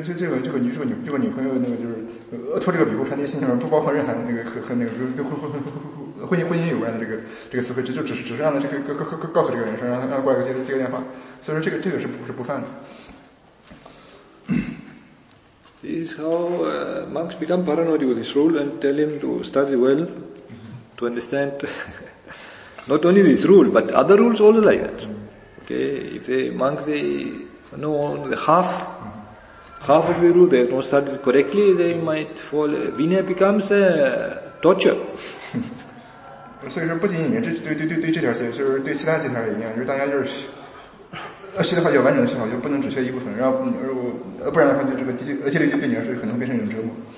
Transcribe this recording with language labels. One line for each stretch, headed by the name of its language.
Chinese: 他这个女朋友那个就是托这个比库传递信息嘛，不包括任何那个和那个婚姻有关的这个词汇，只是让他这个告诉这个人说，让他过来接个电话。所以说这个是不犯的。
English: This is how monks become paranoid with this rule and tell him to study well. To understand not only this rule, but other rules also like that. Okay, if the monks they know the half of the rule, they have not studied correctly, they might fall. Vinaya becomes a torture.
Chinese: 所以说，不仅仅对这条线，就是对其他线条也一样，就是大家就是学的话要完整的学好，就不能只学一部分，然后不然的话，就这个积累就对你来说可能变成一种折磨。